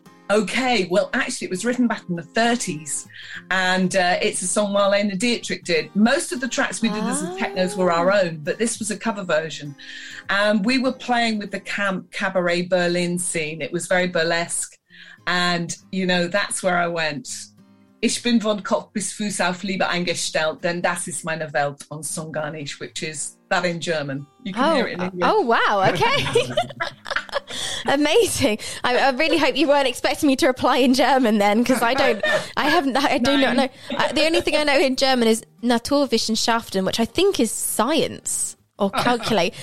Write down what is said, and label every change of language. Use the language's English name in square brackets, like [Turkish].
[English] Okay, well, actually, it was written back in the 30s. And it's a song Marlene Dietrich did. Most of the tracks we did as the Technos were our own, but this was a cover version. And we were playing with the camp cabaret Berlin scene. It was very burlesque. And, you know, that's where I went. [German] Ich bin von Kopf bis Fuß auf Liebe eingestellt, denn das ist meine Welt [English] on Song Garnish, which is that in German. You can hear it in English. Oh, wow. Okay. Amazing. I really hope you weren't expecting me to reply in German then, because I do not know. The only thing I know in German is Naturwissenschaften, which I think is science or calculate.